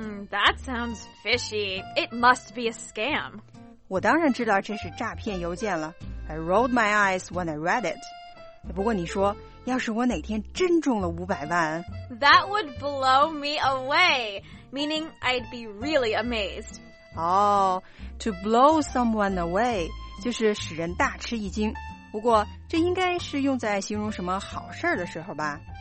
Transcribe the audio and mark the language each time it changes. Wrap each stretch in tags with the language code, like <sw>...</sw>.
<en>That sounds fishy. It must be a scam.</en> <zh>我当然知道这是诈骗邮件了。</zh> <en>I rolled my eyes when I read it.</en> <zh>不过你说，要是我哪天真中了500万</zh> <en>，That would blow me away. Meaning I'd be really amazed. Oh, to blow someone away</en> <zh>就是使人大吃一惊。不过这应该是用在形容什么好事的时候吧</zh>